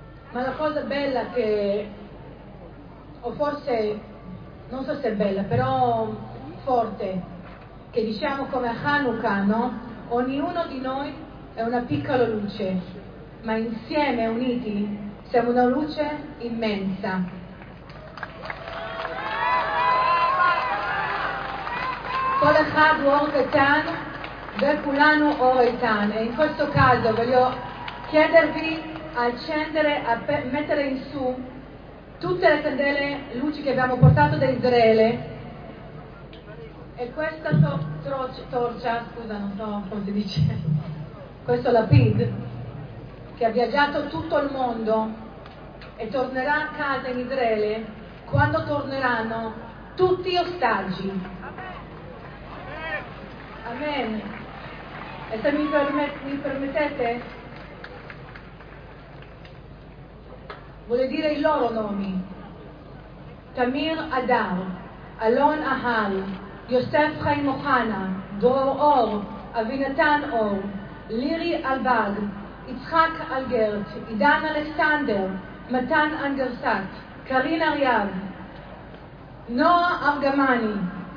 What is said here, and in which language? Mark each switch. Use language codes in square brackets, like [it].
[it] Ma la cosa bella che, o forse, non so se è bella, però forte, che diciamo come a Hanukkah, no? Ognuno di noi è una piccola luce, ma insieme, uniti, siamo una luce immensa. [he] כל אחד הוא אור קטן וכולנו אור איתן. [it] In questo caso voglio chiedervi a accendere, a mettere in su tutte le candele luci che abbiamo portato da Israele E questa torcia, scusa, non so come si dice, questo lapid che ha viaggiato tutto il mondo e tornerà a casa in Israele quando torneranno tutti gli ostaggi. Amen. E se mi permettete, vuole dire i loro nomi: Tamir Adar, Alon Ahal, Yosef Chaim Ohana, Dor Or, Avinatan Or, Liri Albag, Yitzhak Algert, Idan Alexander, Matan Angersat, Karin Aryav, Noah Argamani,